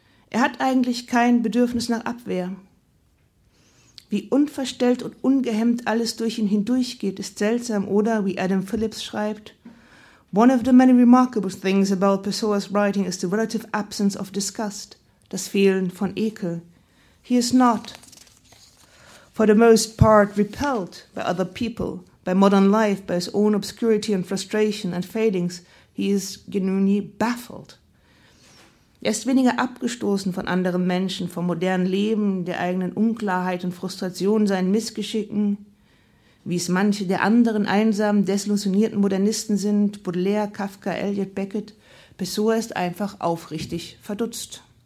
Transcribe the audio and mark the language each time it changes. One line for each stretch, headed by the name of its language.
German: Er hat eigentlich kein Bedürfnis nach Abwehr. Wie unverstellt und ungehemmt alles durch ihn hindurchgeht, ist seltsam, oder wie Adam Phillips schreibt:
English: One of the many remarkable things about Pessoa's writing is the relative absence of disgust,
German: das Fehlen von Ekel.
English: He is not, for the most part, repelled by other people, by modern life, by his own obscurity and frustration and failings. He is genuinely baffled.
German: Er ist weniger abgestoßen von anderen Menschen, vom modernen Leben, der eigenen Unklarheit und Frustration, seinen Missgeschicken, wie es manche der anderen einsamen, desillusionierten Modernisten sind, Baudelaire, Kafka, Eliot, Beckett. Pessoa ist einfach aufrichtig verdutzt.